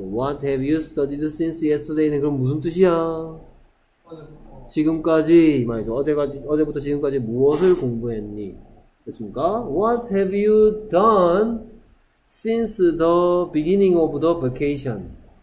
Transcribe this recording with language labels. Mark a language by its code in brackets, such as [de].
[en] What have you studied since yesterday는 [ko] 그럼 무슨 뜻이야? 지금까지 말이죠. 어제부터 지금까지 무엇을 공부했니? 됐습니까? [en] What have you done since the beginning of the vacation?